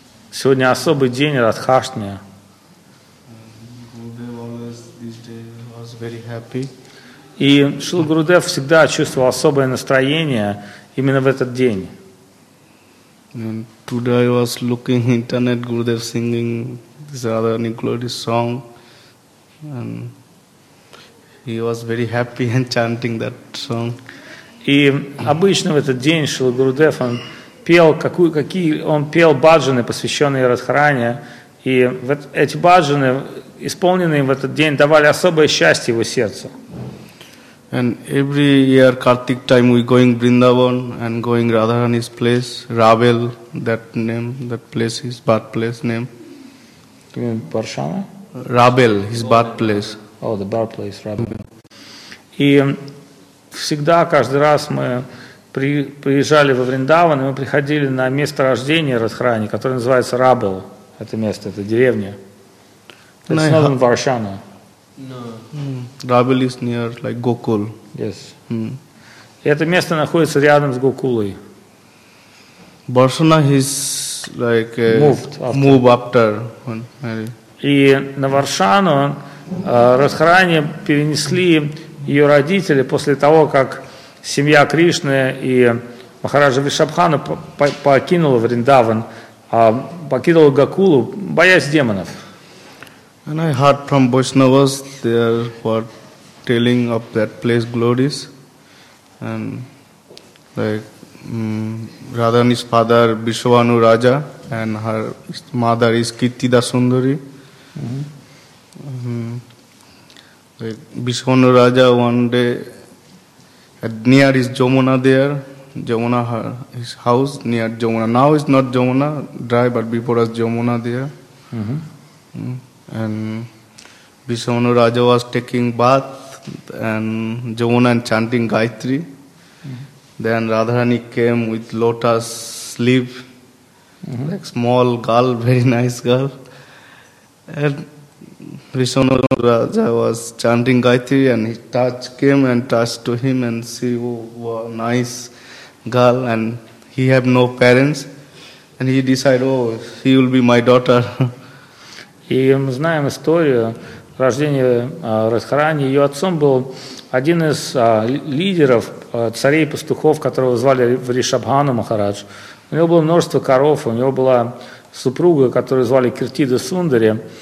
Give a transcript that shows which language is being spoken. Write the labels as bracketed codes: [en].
[ru] Сегодня особый день Радхаштми. [en] Gurudev always this day was very happy. [ru] И Шрила Гурудев всегда чувствовал особое настроение именно в этот день. [en] Today I was looking internet Gurudev singing this other Nikolodi song and he was very happy and chanting that song. [ru] И обычно в этот день Шрила Гурудев пел баджаны, посвященные Радхаране, и эти баджаны, исполненные в этот день, давали особое счастье его сердцу. [en] And every year Kartik time we going Vrindavan and going Radharani's place, Ravel, that name, that place, his birthplace name. You mean Parshana? Ravel, his birthplace. Oh, the birthplace, Ravel. [ru] И всегда, каждый раз мы приезжали во Вриндаван, и мы приходили на место рождения Радхарани, которое называется Рабел, это место, это деревня. [en] It's not in Varshana. Рабел is near like Gokul. Yes. [ru] И это место находится рядом с Гокулой. [en] Varshana is like moved after. [ru] И на Варшану Радхарани перенесли ее родители после того, как семья Кришны и Махараджа Вишабхана покинула Вриндаван, покинула Гокулу, боясь демонов. [en] And I heard from Vaishnavas they were telling of that place glories. And like Radhani's father Vishwanu Raja and her mother is Kirtida Sundari. Like Vishwanu Raja one day near his Jamuna there, Jamuna his house near Jamuna. Now it's not Jamuna dry, but before was Jamuna there. And Vishwanu Raja was taking bath and Jamuna and chanting Gayatri. Then Radharani came with lotus sleeve, like small girl, very nice girl. And Vishwanu Raja was chanting Gayatri and he touched to him and see, oh, wow, nice girl, and he had no parents and he decided, oh, she will be my daughter. [ru] И мы знаем историю рождения Радхарани. Ее отцом был один из лидеров царей и пастухов, которого звали Вришабхану Махарадж. У него было множество коров, у него была супруга, которую звали Киртида Сундари.